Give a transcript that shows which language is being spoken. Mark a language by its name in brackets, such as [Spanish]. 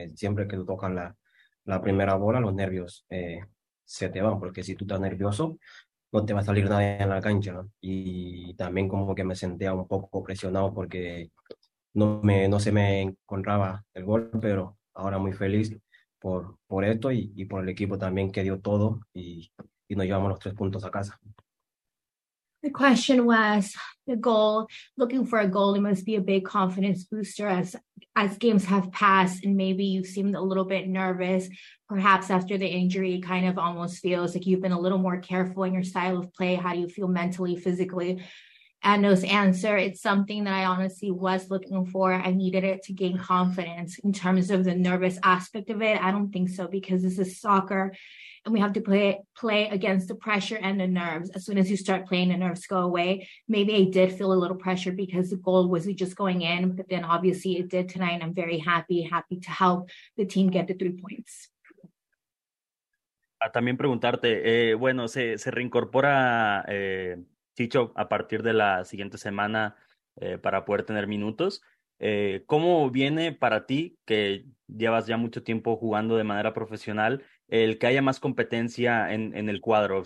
[Spanish] Siempre que tú tocas la primera bola, los nervios se te van, porque si tú estás nervioso, no te va a salir nadie en la cancha, ¿no? Y también como que me sentía un poco presionado porque no se me encontraba el gol, pero ahora muy feliz por esto y por el equipo también que dio todo y nos llevamos los 3 puntos a casa. [English] The question was the goal, looking for a goal, it must be a big confidence booster as games have passed and maybe you seemed a little bit nervous. Perhaps after the injury, kind of almost feels like you've been a little more careful in your style of play. How do you feel mentally, physically? And those answer, it's something that I honestly was looking for. I needed it to gain confidence. In terms of the nervous aspect of it, I don't think so because this is soccer and we have to play against the pressure and the nerves. As soon as you start playing, the nerves go away. Maybe I did feel a little pressure because the goal wasn't just going in, but then obviously it did tonight and I'm very happy to help the team get the 3 points. [Spanish] También preguntarte, bueno, se reincorpora Chicho a partir de la siguiente semana para poder tener minutos. ¿Cómo viene para ti, que llevas ya mucho tiempo jugando de manera profesional, el que haya más competencia en el cuadro?